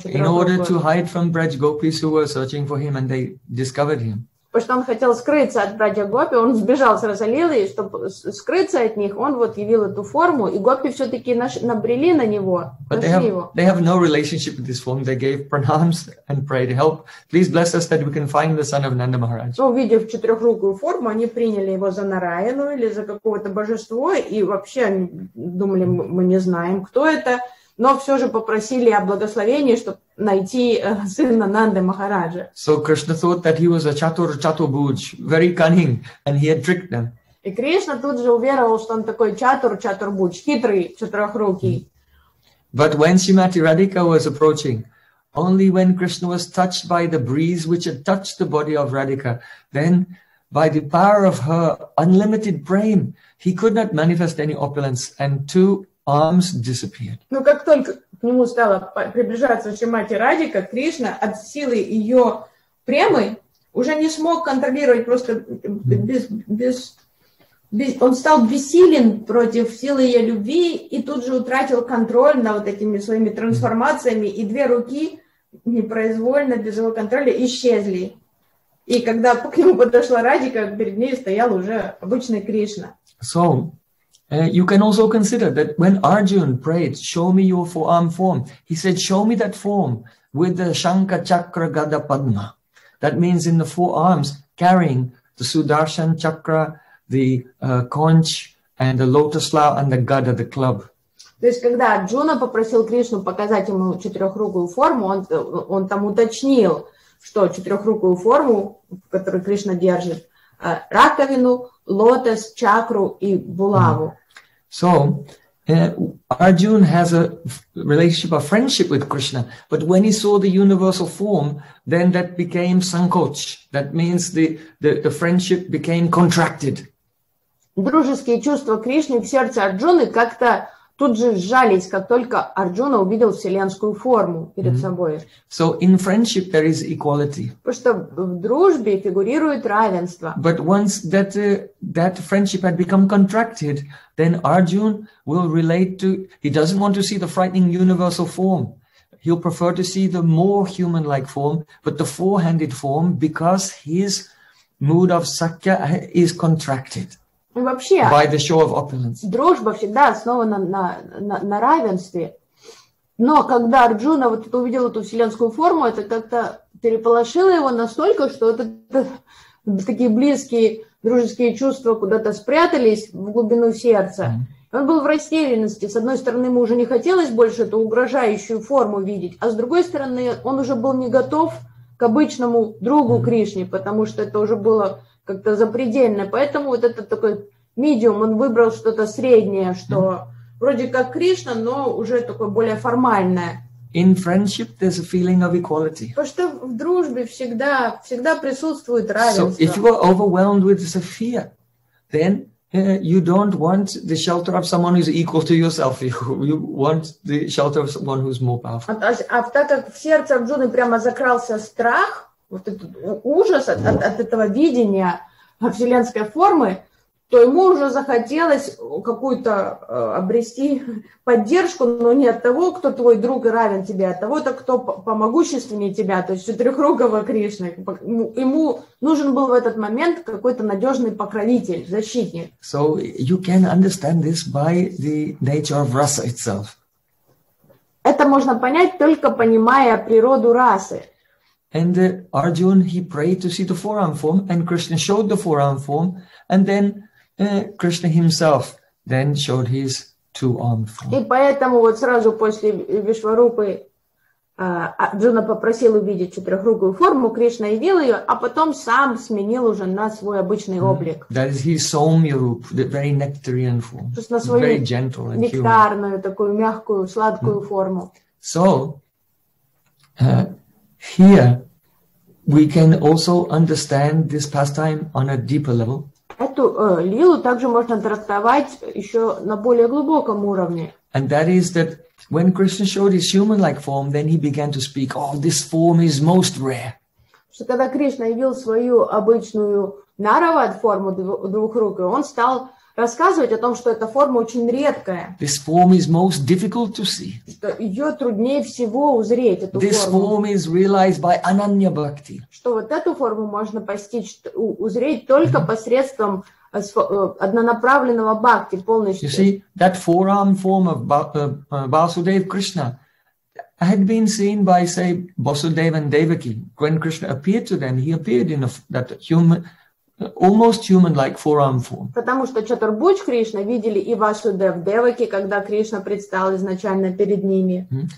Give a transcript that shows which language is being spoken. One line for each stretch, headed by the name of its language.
English: In order to hide from Braj Gopis who were searching for him, and they discovered him.
Russian: Потому что он хотел скрыться от Брадья Гопи, он сбежал с Расалилы, и чтобы скрыться от них, он вот явил эту форму, и Гопи все-таки набрели на него,
English: But
Russian: нашли
English: they have,
Russian: его.
English: They have no relationship with this form. They gave pranams and prayed, help, please bless us that we can find the son of Nanda Maharaj.
Russian: Но, увидев четырехрукую форму, они приняли его за Нараяну или за какое-то божество, и вообще думали, мы не знаем, кто это, но все же попросили о благословении, чтобы найти сына Нанды Махараджа.
English: So Krishna thought that he was a chatur-chatur-bhuj, very cunning, and he had tricked them.
Russian: И Кришна тут же уверовал, что он такой chatur-chatur-bhuj, хитрый, четырехрукий.
English: But when Shrimati Radhika was approaching, only when Krishna was touched by the breeze which had touched the body of Radhika, then by the power of her unlimited prem, he could not manifest any opulence, and two arms disappeared.
Russian: Но как только к нему стала приближаться Шримати Радика, Кришна от силы ее премы уже не смог контролировать, просто без он стал бессилен против силы ее любви и тут же утратил контроль над вот этими своими трансформациями, и две руки непроизвольно, без его контроля, исчезли. И когда к нему подошла Радика, перед ней стоял уже обычный Кришна.
English: So, you can also consider that when Arjun prayed, show me your four-armed form, he said, show me that form with the Shankha Chakra Gada Padma. That means in the four arms, carrying the Sudarshan Chakra, the conch, and the lotus flower, and the Gada, the club.
Russian: То есть, когда Арджуна попросил Кришну показать ему четырехрукую форму, он там уточнил, что четырехрукую форму, которую Кришна держит, раковину, лотос, чакру и булаву.
English: So, Arjun has a relationship, a friendship with Krishna. But when he saw the universal form, then that became sankoch. That means the friendship became contracted.
Russian: Дружеские чувства Кришны в сердце Арджуны как-то тут же сжались, как только Арджуна увидел вселенскую форму перед собой.
English: So in friendship there is equality.
Russian: Потому что в дружбе фигурирует равенство.
English: But once that friendship had become contracted, then Arjun will relate to. He doesn't want to see the frightening universal form. He'll prefer to see the more human-like form, but the four-handed form, because his mood of sakya is contracted.
Russian: Вообще,
English: by the show of opulence.
Russian: Дружба всегда основана на равенстве. Но когда Арджуна вот это увидел эту вселенскую форму, это как-то переполошило его настолько, что такие близкие дружеские чувства куда-то спрятались в глубину сердца. Он был в растерянности. С одной стороны, ему уже не хотелось больше эту угрожающую форму видеть, а с другой стороны, он уже был не готов к обычному другу Кришне, потому что это уже было как-то запредельно. Поэтому вот этот такой медиум, он выбрал что-то среднее, что вроде как Кришна, но уже такое более формальное.
English: In friendship there's a feeling of equality.
Russian: Потому что в дружбе всегда присутствует равенство.
English: So if you are overwhelmed with this fear, then you don't want the shelter of someone who's equal to yourself. You want the shelter of someone who's more powerful.
Russian: А так как в сердце Арджуны прямо закрался страх, вот этот ужас от этого видения вселенской формы, то ему уже захотелось какую-то обрести поддержку, но не от того, кто твой друг и равен тебе, а от того, кто помогущественнее тебя, то есть четырехрукого Кришны. Ему нужен был в этот момент какой-то надежный покровитель, защитник.
English: So you can understand this by the nature of rasa itself.
Russian: Это можно понять, только понимая природу расы.
English: And Arjun, he prayed to see the four-armed form, and Krishna showed the four-armed form, and then Krishna himself then showed his two-armed form.
Russian: И поэтому вот сразу после Вишварупы Арджуна попросил увидеть четырехрукую форму, Кришна явил ее, а потом сам сменил уже на свой обычный облик.
English: That is his soumya roop, the very nectarian form.
Russian: То есть на свою
English: very gentle and
Russian: нектарную, такую мягкую, сладкую форму.
English: So, here we can also understand this pastime on a deeper level.
Russian: Эту лилу также можно трактовать еще на более глубоком уровне.
English: And that is that when Krishna showed his human-like form, then he began to speak, oh, this form is most rare.
Russian: Что когда Кришна явил свою обычную наравад форму двухрукой, он стал рассказывать о том, что эта форма очень редкая.
English: This form is most difficult to see.
Russian: Что ее труднее всего узреть, эту форму.
English: This form is realized by ananya bhakti.
Russian: Что вот эту форму можно постичь, узреть только посредством однонаправленного бхакти полностью.
English: You see, that forearm form of Vasudev Krishna had been seen by, say, Vasudev and Devaki. When Krishna appeared to them, he appeared in that human, almost human-like forearm form.
Russian: Потому что Чатурбуч Кришна видели и Васудев, Деваки, когда Кришна предстал изначально перед ними.